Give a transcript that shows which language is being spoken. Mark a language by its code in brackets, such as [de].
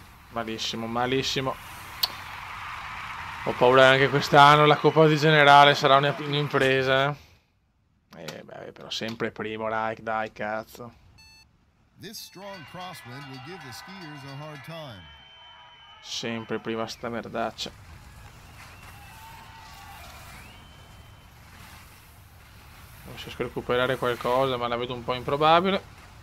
[it] Malissimo, malissimo. Ho paura anche quest'anno, la Coppa di Generale sarà un'impresa. Beh, però sempre primo, like, dai, cazzo. [en] This strong crosswind will give the skiers a hard time. [it] Sempre prima sta merdaccia. Non riesco a recuperare qualcosa, ma la vedo un po' improbabile.